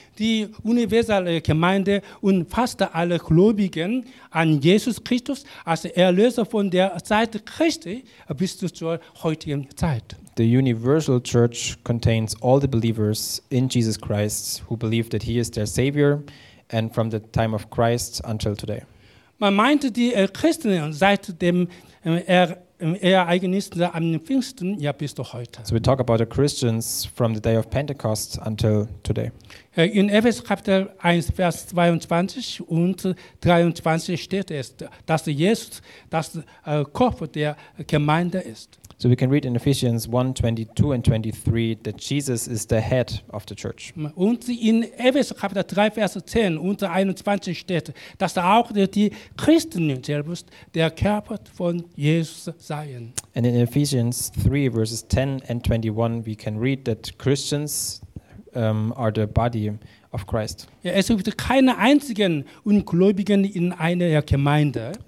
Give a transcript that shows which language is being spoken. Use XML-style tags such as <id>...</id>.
<de>Die universelle Gemeinde und fast alle Gläubigen an Jesus Christus als Erlöser von der Zeit Christi bis zur heutigen Zeit.</de> <en>The universal church contains all the believers in Jesus Christ who believe that he is their savior and from the time of Christ until today.</en> <de>Man meinte die Christen seit dem Ereignis am Pfingsten ja bis zu heute.</de> <en>So we talk about the Christians from the day of Pentecost until today.</en> <de>In Epheser Kapitel 1 Vers 22 und 23 steht es, dass Jesus das Kopf der Gemeinde ist.</de> <en>So we can read in Ephesians 1, 22 and 23 that Jesus is the head of the church.</en> <de>Und in Epheser Kapitel 3, Vers 10 und 21 steht, dass auch die Christen selbst der Körper von Jesus seien.</de> <en>And in Ephesians 3, verses 10 and 21, we can read that Christians are the body of Christ.</en> <de>Ja, es gibt keine einzigen Ungläubigen in einer Gemeinde.</de>